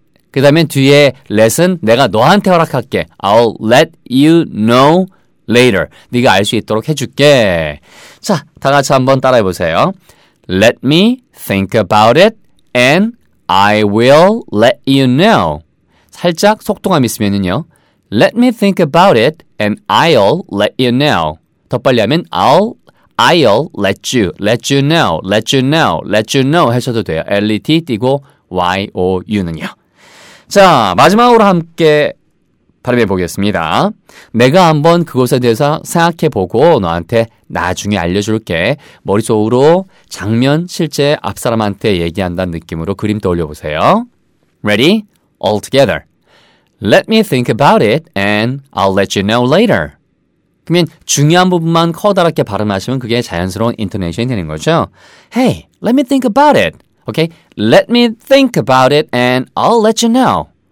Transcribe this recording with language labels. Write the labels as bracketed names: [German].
[Korean] 그 다음에 뒤에 let은 내가 너한테 허락할게. [English] I'll let you know later. [Korean] 네가 알 수 있도록 해줄게. 자, 다 같이 한번 따라해 보세요. [English] Let me think about it and I will let you know. [Korean] 살짝 속도감 있으면요. [English] Let me think about it and I'll let you know. [Korean] 더 빨리 하면 [English] I'll let you, let you know, [Korean] let you know, let you know 하셔도 돼요. L-E-T 띄고 Y-O-U는요. 자, 마지막으로 함께 발음해 보겠습니다. 내가 한번 그것에 대해서 생각해 보고 너한테 나중에 알려줄게. 머릿속으로 장면 실제 앞사람한테 얘기한다는 느낌으로 그림 떠올려 보세요. [English] Ready? All together. Let me think about it and I'll let you know later. [Korean] 그러면 중요한 부분만 커다랗게 발음하시면 그게 자연스러운 인토네이션이 되는 거죠. [English] Hey, let me think about it. Okay? Let me think about it and I'll let you know.